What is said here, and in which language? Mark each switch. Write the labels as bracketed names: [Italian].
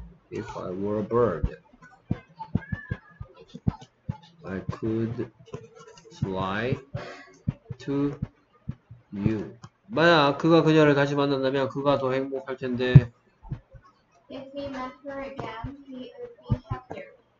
[English] If I were a bird, I could fly to you. [Korean] 만약 그가 그녀를 다시 만난다면 그가 더 행복할 텐데. [English] If he met her again, he would be happier.